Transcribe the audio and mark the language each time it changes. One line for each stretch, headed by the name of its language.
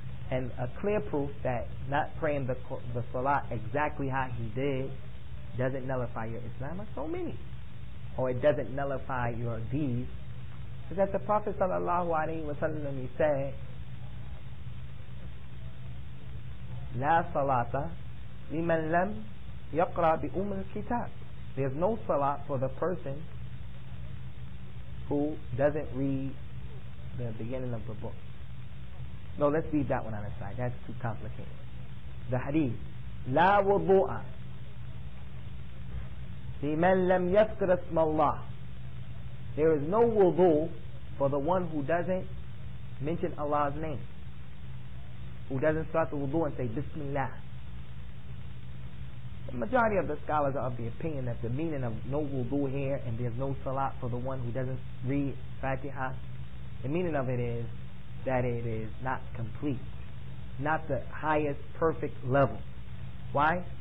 English: And a clear proof that not praying the salat exactly how he did doesn't nullify your Islam, so many, or it doesn't nullify your deeds, is that the Prophet sallallahu alaihi wasallam, he said,
Arabic: لا صلاة لمن لم يقرأ بأم الكتاب.
English: There's no salat for the person who doesn't read the beginning of the book. No, let's leave that one on the side. That's too complicated. The hadith,
Arabic: لا وضوء لمن لم يذكر اسم الله.
English: There is no wudu for the one who doesn't mention Allah's name, who doesn't start the wudu and say Bismillah. The majority of the scholars are of the opinion that the meaning of no wudu here, and there's no salat for the one who doesn't read Fatiha, the meaning of it is that it is not complete, not the highest perfect level. Why?